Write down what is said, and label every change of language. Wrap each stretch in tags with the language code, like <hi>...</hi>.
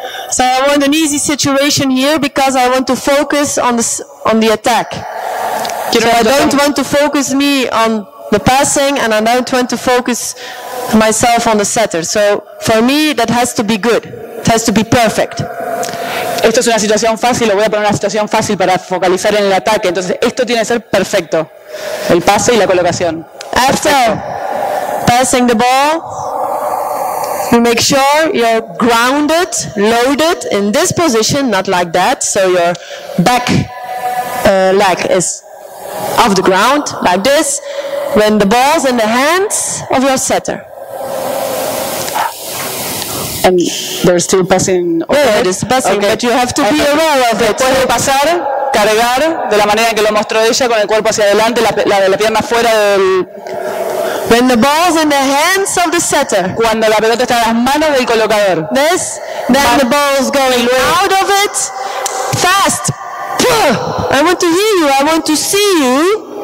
<en>So I want an easy situation here because I want to focus on the attack.</en> <es>Quiero</es> <en>so I don't want to focus me on the passing and I don't want to focus myself on the setter. So for me that has to be good. It has to be perfect.</en> <es>Esto es una situación fácil, lo voy a poner una situación fácil para focalizar en el ataque. Entonces esto tiene que ser perfecto. El pase y la colocación.</es> <en>After</en> <es>perfecto.</es> <en>Passing the ball, you make sure you're grounded, loaded in this position, not like that. So your back leg is off the ground, like this. When the ball's in the hands of your setter. And they're still passing. Yeah, it is passing, okay. But you have to be aware of it.</en> <es>Puede pasar, cargar de la manera que lo mostró ella, con el cuerpo hacia adelante, la pierna fuera del.</es> <en>When the ball's in the hands of the setter.</en> <es>Cuando la pelota está en las manos del colocador.</es> <en>This, then the ball's going out of it. Fast. I want to hear you. I want to see you.</en>